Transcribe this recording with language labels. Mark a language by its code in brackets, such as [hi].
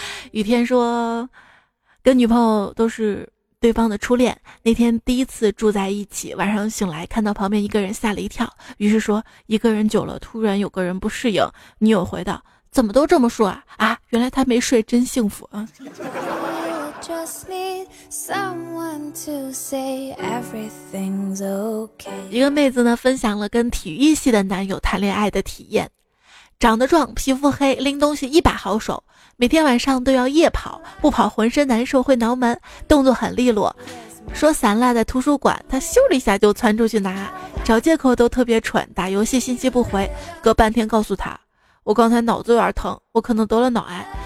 [zh] 雨天说，跟女朋友都是对方的初恋，那天第一次住在一起，晚上醒来看到旁边一个人吓了一跳，于是说一个人久了突然有个人不适应。女友回道，怎么都这么说啊，原来他没睡真幸福啊。 [en] just need someone to say everything's okay。 [zh] 一个妹子呢分享了跟体育系的男友谈恋爱的体验，长得壮，皮肤黑，拎东西一把好手，每天晚上都要夜跑，不跑浑身难受，会挠门，动作很利落，说散落在图书馆，他咻了一下就窜出去拿，找借口都特别蠢，打游戏信息不回，隔半天告诉他，我刚才脑子有点疼，我可能得了脑癌。